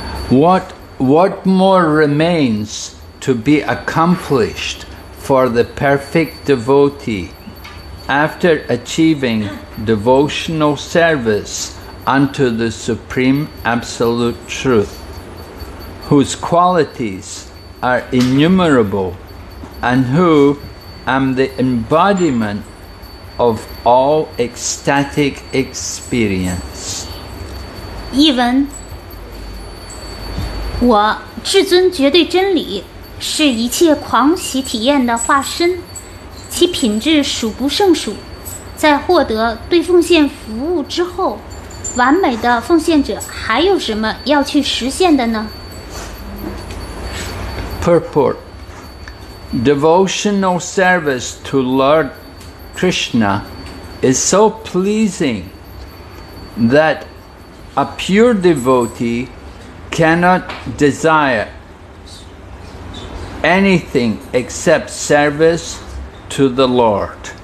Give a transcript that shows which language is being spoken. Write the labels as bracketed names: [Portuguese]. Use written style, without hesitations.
[English] What more remains to be accomplished for the perfect devotee after achieving devotional service unto the Supreme Absolute Truth, whose qualities are innumerable, and who am the embodiment of all ecstatic experience. [Chinese] 译文 我至尊绝对真理 是一切狂喜体验的化身 其品质数不胜数 在获得对奉献服务之后 完美的奉献者还有什么要去实现的呢? [English] Purport. Devotional service to Lord Krishna is so pleasing that a pure devotee cannot desire anything except service to the Lord.